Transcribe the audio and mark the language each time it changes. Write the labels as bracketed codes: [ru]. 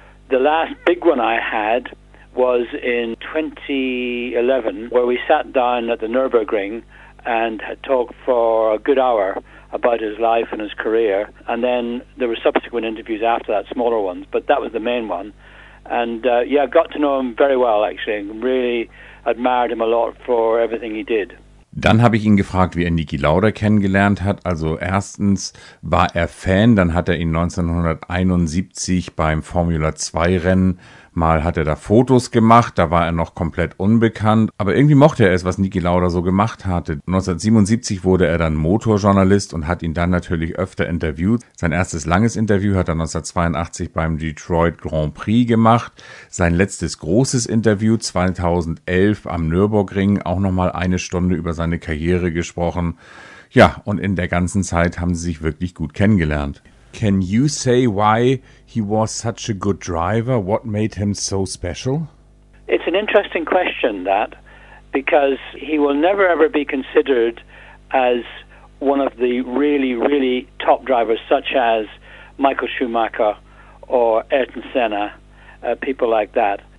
[en] The last big one I had was in 2011, where we sat down at the Nürburgring and had talked for a good hour about his life and his career. And then there were subsequent interviews after that, smaller ones, but that was the main one. And yeah, got to know him very well, actually, and really admired him a lot for everything he did. [de] Dann habe ich ihn gefragt, wie er Niki Lauda kennengelernt hat. Also erstens war er Fan, dann hat er ihn 1971 beim Formula 2 Rennen mal hat er da Fotos gemacht, da war er noch komplett unbekannt. Aber irgendwie mochte er es, was Niki Lauda so gemacht hatte. 1977 wurde er dann Motorjournalist und hat ihn dann natürlich öfter interviewt. Sein erstes langes Interview hat er 1982 beim Detroit Grand Prix gemacht. Sein letztes großes Interview 2011 am Nürburgring, auch nochmal eine Stunde über seine Karriere gesprochen. Ja, und in der ganzen Zeit haben sie sich wirklich gut kennengelernt. [en] Can you say why he was such a good driver? What made him so special? It's an interesting question, that, because he will never ever be considered as one of the really, really top drivers, such as Michael Schumacher or Ayrton Senna, people like that.